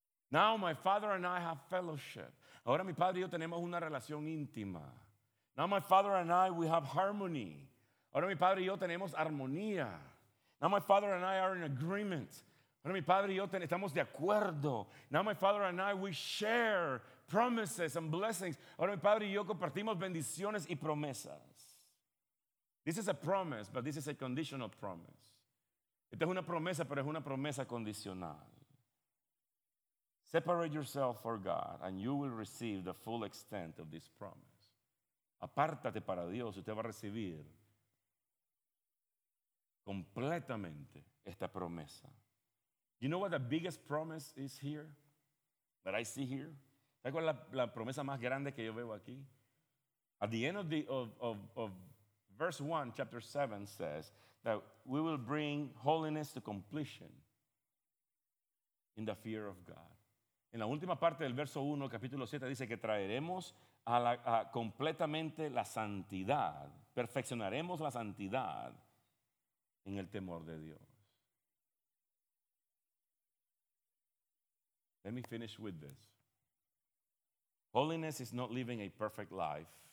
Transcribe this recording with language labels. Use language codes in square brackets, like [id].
[en] Now my father and I have fellowship. [es] Ahora mi padre y yo tenemos una relación íntima. [en] Now my father and I, we have harmony. [es] Ahora mi padre y yo tenemos armonía. [en] Now my father and I are in agreement. [es] Ahora mi padre y yo estamos de acuerdo. [en] Now my father and I, we share promises and blessings. [es] Ahora mi padre y yo compartimos bendiciones y promesas. [en] This is a promise, but this is a conditional promise. [es] Esta es una promesa, pero es una promesa condicional. [en] Separate yourself for God, and you will receive the full extent of this promise. [es] Apártate para Dios, y usted va a recibir completamente esta promesa. [en] You know what the biggest promise is here? That I see here? [es] ¿Sabes cuál es la promesa más grande que yo veo aquí? [en] At the end of verse 1, chapter 7 says, that we will bring holiness to completion in the fear of God. [es] En la última parte del verso 1, capítulo 7, dice que traeremos a completamente la santidad, perfeccionaremos la santidad en el temor de Dios. [en] Let me finish with this. Holiness is not living a perfect life.